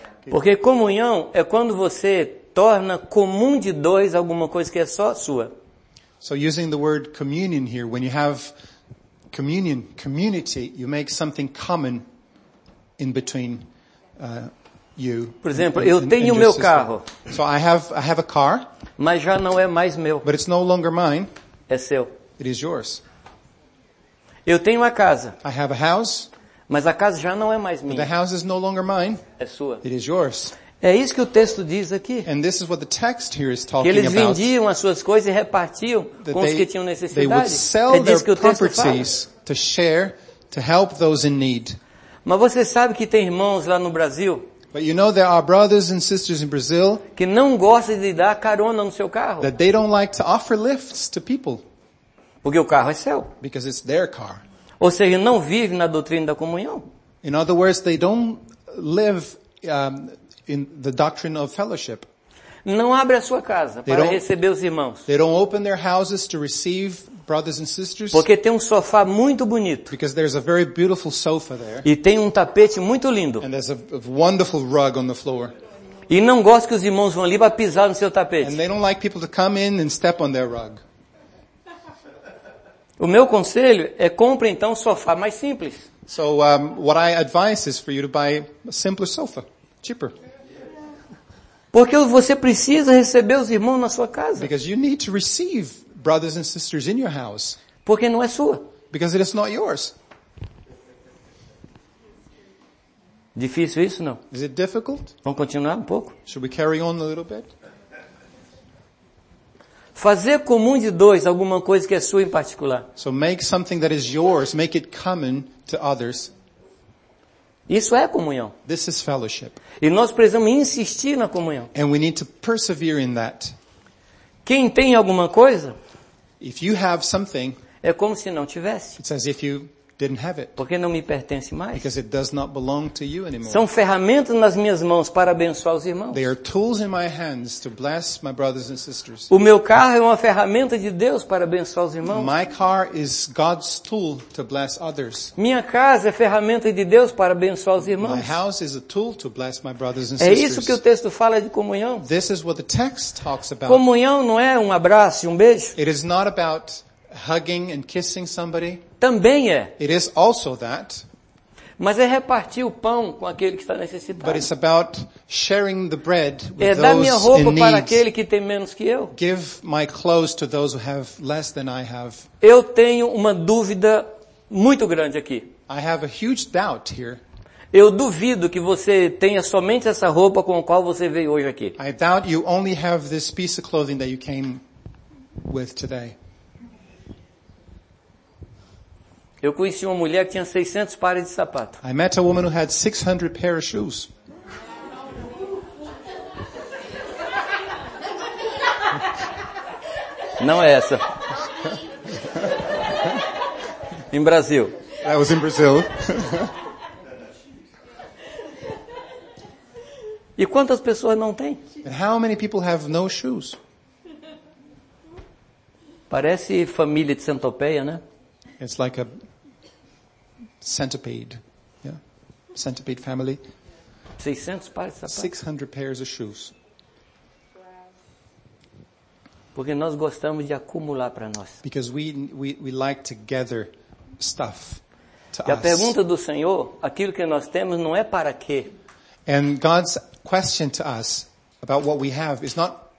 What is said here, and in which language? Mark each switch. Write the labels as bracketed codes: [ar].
[pt] porque comunhão é quando você torna comum de dois alguma coisa que é só sua. [en] So using the word communion here, when you have communion, community, you make something common in between you. [pt] Por exemplo, eu tenho meu carro. [en] So I have a car. [pt] Mas já não é mais meu. [en] But it's no longer mine. [pt] É seu. [en] It is yours. [pt] Eu tenho uma casa. [en] I have a house. [pt] Mas a casa já não é mais minha. [en] But the house is no longer mine. [pt] É sua. [en] It is yours. [pt] É isso que o texto diz aqui. [en] And this is what the text here is talking [pt] que eles vendiam [en] about, [pt] as suas coisas e repartiam com os que tinham necessidade. [en] They would sell [pt] é disso [en] their properties to share, to help those in need. [pt] Mas você sabe que tem irmãos lá no Brasil, [en] but you know there are brothers and sisters in Brazil, [pt] que não gostam de dar carona no seu carro. [en] That they don't like to offer lifts to people. [pt] Porque o carro é seu. [en] Because it's their car. [pt] Ou seja, não vive na doutrina da comunhão. [en] In other words, they don't live in the doctrine of fellowship. [pt] Não abre a sua casa para receber os irmãos. [en] They don't open their houses to receive brothers and sisters. [pt] Porque tem um sofá muito bonito. [en] Because there's a very beautiful sofa there. [pt] E tem um tapete muito lindo. [en] And there's a wonderful rug on the floor. [pt] E não gosta que os irmãos vão ali para pisar no seu tapete. [en] And they don't like people to come in and step on their rug. [pt] O meu conselho é compre então um sofá mais simples. [en] So what I advise is for you to buy a simpler sofa, cheaper. [pt] Porque você precisa receber os irmãos na sua casa. [en] Because you need to receive brothers and sisters in your house. [pt] Porque não é sua. [en] Because it is not yours. [pt] Difícil isso, não? [en] Is it difficult? [pt] Vamos continuar um pouco? [en] Should we carry on a little bit? [pt] Fazer comum de dois alguma coisa que é sua em particular. [en] So make something that is yours, make it common to others. [pt] Isso é comunhão. [en] This is fellowship. [pt] E nós precisamos insistir na comunhão. [en] And we need to persevere in that. [pt] Quem tem alguma coisa? [en] If you have something, [pt] é como se não tivesse. [en] It's as if you didn't have it. [pt] Porque não me pertence mais. [en] Because it does not belong to you anymore. [pt] São ferramentas nas minhas mãos para abençoar os irmãos. [en] They are tools in my hands to bless my brothers and sisters. [pt] O meu carro é uma ferramenta de Deus para abençoar os irmãos. [en] My car is God's tool to bless others. [pt] Minha casa é ferramenta de Deus para abençoar os irmãos. [en] My house is a tool to bless my brothers and sisters. [pt] É isso que o texto fala de comunhão. [en] This is what the text talks about. [pt] Comunhão não é um abraço e um beijo. [en] It is not about hugging and kissing somebody. [pt] Também é. [en] It is also that. [pt] Mas é repartir o pão com aquele que está necessitado. [en] But it's about sharing the bread with those in need. [pt] É dar minha roupa para aquele que tem menos que eu. [en] Give my clothes to those who have less than I have. [pt] Eu tenho uma dúvida muito grande aqui. [en] I have a huge doubt here. [pt] Eu duvido que você tenha somente essa roupa com a qual você veio hoje aqui. [en] I doubt you only have this piece of clothing that you came with today. [pt] Eu conheci uma mulher que tinha 600 pares de sapato. [en] I met a woman who had 600 pairs of shoes. [pt] Não é essa. Em Brasil. [en] That was in Brazil. [pt] E quantas pessoas não têm? [en] And how many people have no shoes? [pt] Parece família de centopeia, né? [en] It's like a centipede. Yeah. Centipede family. [pt] 600 pares de sapatos. [en] 600 pairs of shoes. [pt] Porque nós gostamos de acumular para nós. [en] Because we like to gather stuff to us. [pt] E a pergunta do Senhor, aquilo que nós temos não é para quê? [en] And God's question to us about what we have is not